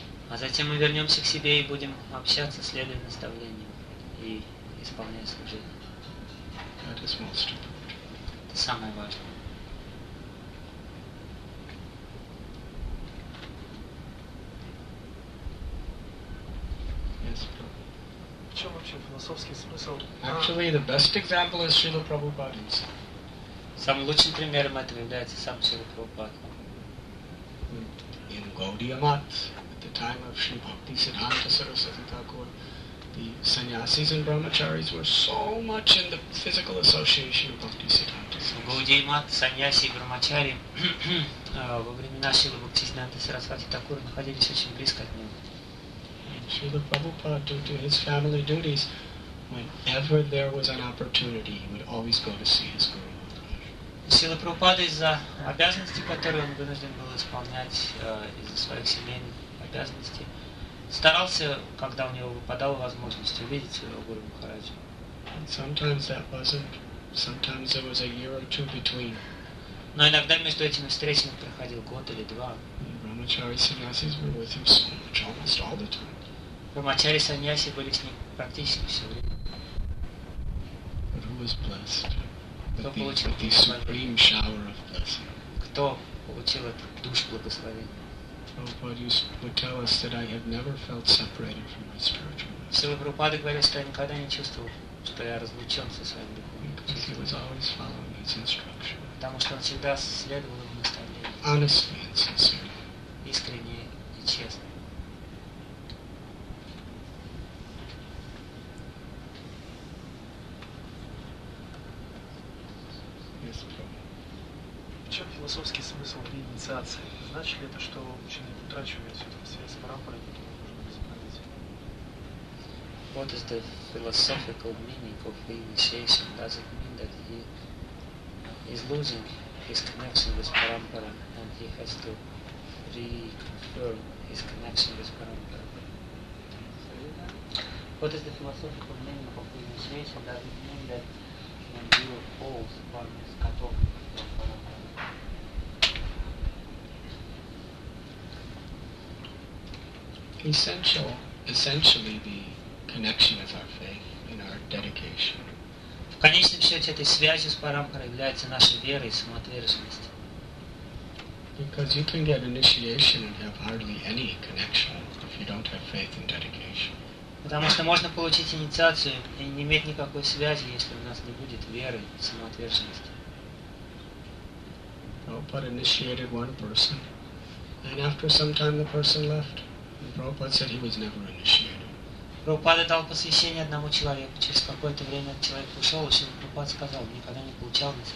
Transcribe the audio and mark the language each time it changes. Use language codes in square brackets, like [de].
[ru] А затем мы вернемся к себе и будем общаться, следуя наставлениям и исполняя служение. [en] That is most important. [ru] Это самое важное. [en] Yes, [ru] в чем вообще философский смысл? [en] Actually, the best example is Srila Prabhupada himself. [ru] Самым лучшим примером этого является сам Srila Prabhupada. [en] In Gaudiya Math, at the time of Sri Bhakti Siddhanta Saraswati Thakur, the sannyasis and brahmacharis were so much in the physical association of Bhakti Siddhanta Saraswati. In Gaudiya Math, sannyasi and brahmachari, [ru] во времена Шрилы Бхакти Сиддханты Сарасвати Такура, находились очень близко от него. [en] Шрила Прабхупада, due to his family duties, whenever there was an opportunity, he would always go to see his guru. [ru] Сила Прабхупада из-за обязанностей, которые он вынужден был исполнять из-за своих семейных обязанности, старался, когда у него выпадала возможность, увидеть своего Гуру Махараджа. [en] Sometimes that wasn't. Sometimes there was a year or two between. [ru] Но иногда между этими встречами проходил год или два. [en] Brahmachari sannyasis were with him so much, almost all the time. [ru] Brahmachari sannyasi были с ним практически все время. [en] But who was blessed? The supreme shower of blessing. [ru] Кто получил этот душ благословения? [en] Prabhupada would tell us that I have never felt separated from my spiritual master. [ru] Сыла Прабхупада говорил, что я никогда не чувствовал, что я разлучен со своим духом. [en] Because he was always following his instruction. [ru] Потому что он всегда следовал его наставлению. [en] Honestly and sincerely. [ru] Искренне и честно. В чем философский смысл инициации? Значит ли это, что человек утрачивает все-таки связь с Парампарой, которую нужно возобновить? [en] What is the philosophical meaning of the initiation? Does it mean that he is losing his connection with Parampara and he has to reconfirm his connection with Parampara? What is the philosophical meaning of the initiation? Does it mean that when you hold one is cut off from Parampara? Essentially the connection of our faith and our dedication. [ru] В конечном счете этой связи с Парампарой является наша вера и самоотверженность. [en] Because you can get initiation and have hardly any connection if you don't have faith and dedication. [ru] Потому что можно получить инициацию и не иметь никакой связи, если у нас не будет веры и самоотверженности. [en] Prabhupada initiated one person, and after some time the person left. And Prabhupada said he was never initiated. [ru] Прабхупада дал посвящение одному человеку. Через какое-то время человек ушел, и Шрила Прабхупада сказал, никогда не получал